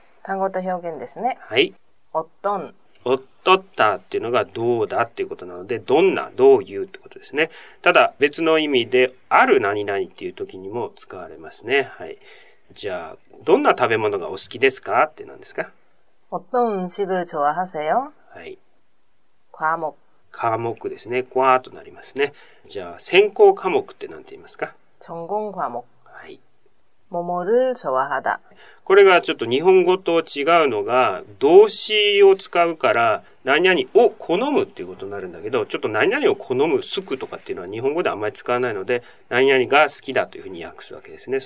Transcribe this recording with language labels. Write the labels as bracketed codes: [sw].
[ja] 単語と表現ですね。はい。おっとん。おっとったっていうのがどうだっていうことなので、どんな、どういうってことですね。ただ、別の意味で、ある何々っていう時にも使われますね。はい。じゃあ、どんな食べ物がお好きですかって何ですか? [ko] 어떤음식을좋아하세요? [ja] はい。 [ko] 과목。 [ja] 과목ですね。과となりますね。じゃあ、専攻科目って何て言いますか? [ko] 전공과목。 [ja] はい。 [ko] 뭐뭐를좋아하다。 [ja] これがちょっと日本語と違うのが、動詞を使うから、何々を好むっていうことになるんだけど、ちょっと何々を好む、好くとかっていうのは日本語であんまり使わないので、何々が好きだというふうに訳すわけですね。